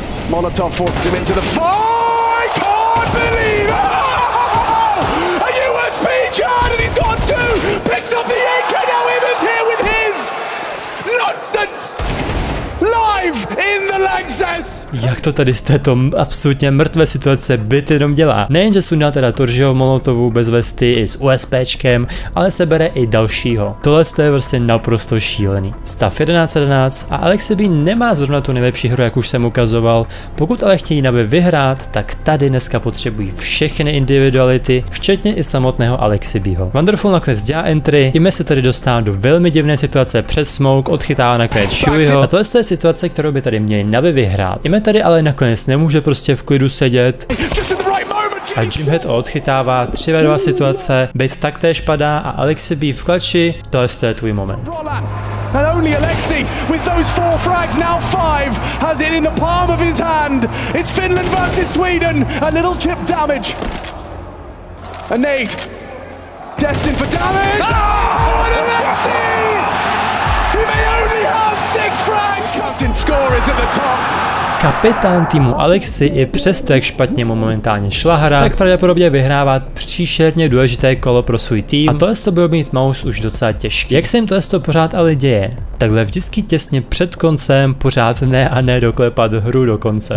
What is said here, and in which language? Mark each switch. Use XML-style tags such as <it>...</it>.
<en>Molotov forces him into the fall! I can't believe it! Oh! A USP card and he's got two! Picks up the AK, now Ibers here with his! Nonsense! Live in the Lanxess!</en> <cs>Jak to tady z této absolutně mrtvé situace Byt jenom dělá? Nejenže sundá teda Toržiho Molotovu bez vesty i s USPčkem, ale sebere i dalšího. Tohle je vlastně naprosto šílený. Stav 11-11 a Alexi B nemá zrovna tu nejlepší hru, jak už jsem ukazoval. Pokud ale chtějí Navi vyhrát, tak tady dneska potřebují všechny individuality, včetně i samotného Alexi Bho. Wonderful nakonec dělá entry, jíme se tady dostává do velmi divné situace přes Smoke, odchytává nakonec Shuiho. A tohle je situace, kterou by tady měli Navi vyhrát. Jíme tady ale nakonec nemůže prostě v klidu sedět. A Jimhead odchytává 3-2 situace, Bit taktéž padá a Alexi B v klači, tohle je tvůj moment.</cs> <en>And only Alexi with those four frags, now five, has it in the palm of his hand. It's Finland versus Sweden, a little chip damage. A Nate, destined for damage. Oh, Alexi! He may only have six frags. Captain score is at the top.</en> <cs>Kapitán týmu Alexi i přesto, jak špatně mu momentálně šla hra, tak pravděpodobně vyhrává příšerně důležité kolo pro svůj tým a tohle to bylo mít Mouse už docela těžké. Jak se jim tohle pořád ale děje? Takhle vždycky těsně před koncem pořád ne a ne doklepat hru do konce.</cs>